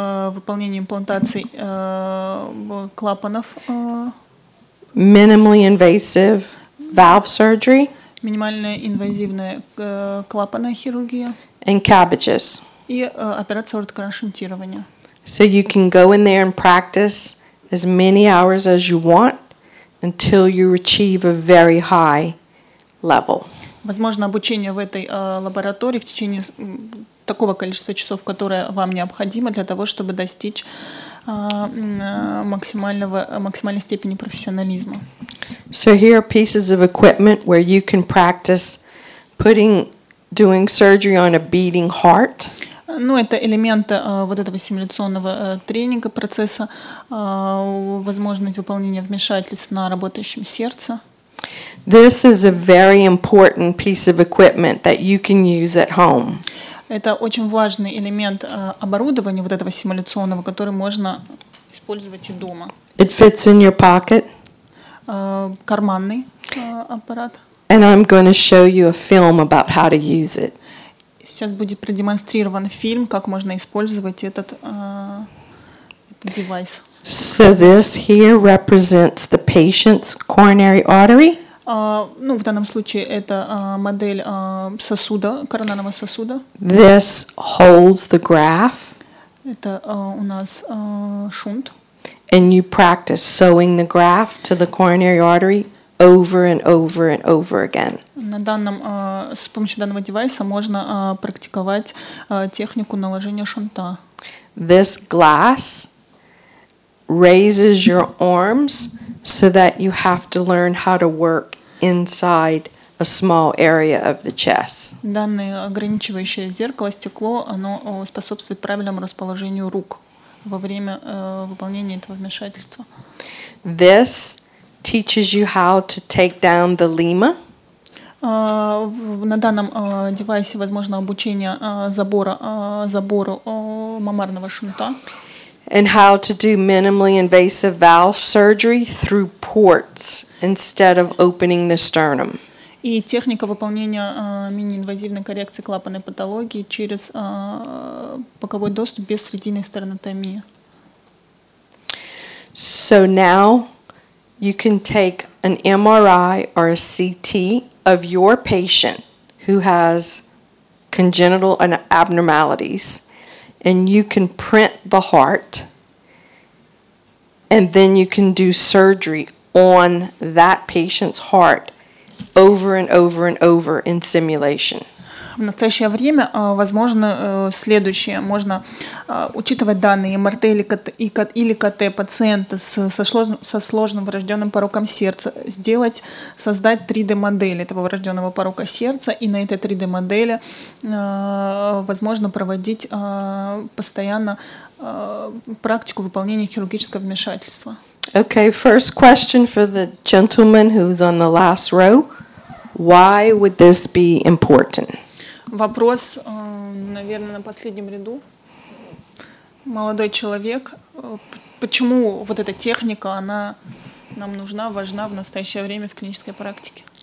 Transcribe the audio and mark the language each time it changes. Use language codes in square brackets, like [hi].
[ru] Выполнение имплантаций клапанов. [en] Minimally invasive valve surgery. [ru] Минимальная инвазивная клапанная хирургия. [en] And CABGs. [ru] И операция ортокроношунтирования. [en] So you can go in there and practice as many hours as you want until you achieve a very high level. [ru] Возможно, обучение в этой лаборатории в течение такого количества часов, которое вам необходимо для того, чтобы достичь максимальной степени профессионализма. [en] So here are pieces of equipment where you can practice doing surgery on a beating heart. [ru] Ну, это элементы вот этого симуляционного тренинга, процесса, возможность выполнения вмешательств на работающем сердце. [en] This is a very important piece of equipment that you can use at home. [ru] Это очень важный элемент оборудования вот этого симуляционного, который можно использовать и дома. [en] It fits in your pocket. [ru] Карманный аппарат. [en] And I'm going to show you a film about how to use it. [ru] Сейчас будет продемонстрирован фильм, как можно использовать этот девайс. [en] So this here represents the patient's coronary artery. [ru] Ну, в данном случае это модель сосуда, коронарного сосуда. [en] This holds the graft. [ru] Это у нас шунт. [en] And you practice sewing the graft to the coronary artery over and over and over again. [ru] С помощью данного девайса можно практиковать технику наложения шунта. [en] This glass raises your arms so that you have to learn how to work inside a small area of the chest. [ru] Данное ограничивающее зеркало, стекло, оно способствует правильному расположению рук во время выполнения этого вмешательства. [en] This teaches you how to take down the lemur. [ru] На данном девайсе возможно обучение забору мамарного шунта. [en] And how to do minimally invasive valve surgery through ports instead of opening the sternum. [ru] И техника выполнения мини-инвазивной коррекции клапанной патологии через боковой доступ без срединной стернотомии. [en] So now you can take an MRI or a CT of your patient who has congenital abnormalities, and you can print the heart, and then you can do surgery on that patient's heart over and over and over in simulation. [ru] В настоящее время возможно следующее. Можно учитывать данные МРТ или КТ пациента со сложным врожденным пороком сердца, создать 3D-модель этого врожденного порока сердца, и на этой 3D-модели возможно проводить постоянно практику выполнения хирургического вмешательства. [en] Okay, first question for the gentleman who's on the last row. Why would this be important? [ru] Вопрос, наверное, на последнем ряду. Молодой человек, почему вот эта техника, она нам нужна, важна в настоящее время в клинической практике?